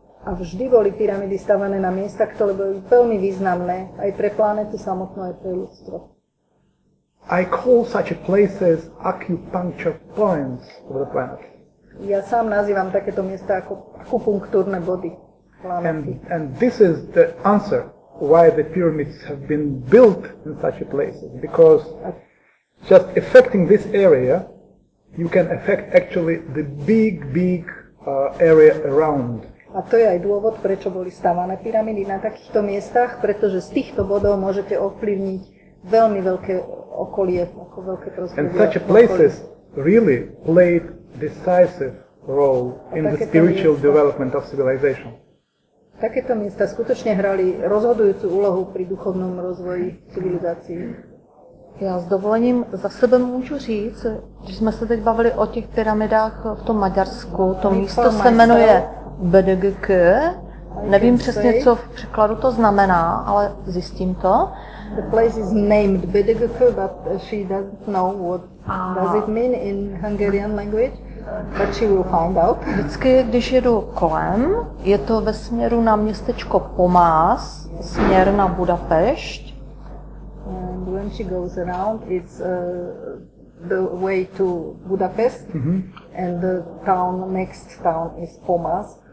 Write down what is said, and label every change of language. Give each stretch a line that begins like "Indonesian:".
Slovak: A vždy boli pyramidy stavané na miesta, ktoré boli veľmi významné aj pre planetu samotnú, aj pre ľudstvo.
English: I call such places acupuncture points of the planet.
Slovak: Ja sám nazývam takéto miesta ako akupunktúrne body planety.
English: And this is the answer why the pyramids have been built in such a places, because just affecting this area, you can affect actually the big area around.
Slovak: A to je aj dôvod, prečo boli stavané pyramidy na takýchto miestach, pretože z týchto bodov môžete ovplyvniť veľmi veľké okolie, ako veľké prostredie.
English: And such places really played decisive role in the spiritual development of civilization.
Slovak: Takéto miesta skutočne hrali rozhodujúcu úlohu pri duchovnom rozvoji civilizácií.
Czech: Já s dovolením za sebe můžu říct, že jsme se teď bavili o těch pyramidách v tom Maďarsku. To místo se jmenuje BDGK. Nevím přesně, co v překladu to znamená, ale zjistím to.
English: The place is named BDGK, but she doesn't know what does it mean in Hungarian language, but she will find out.
Czech: Vždycky, když jedu kolem, je to ve směru na městečko Pomás, směr na Budapešť.
English: And when she goes around, it's the way to Budapest, and the town, next town is Pomas.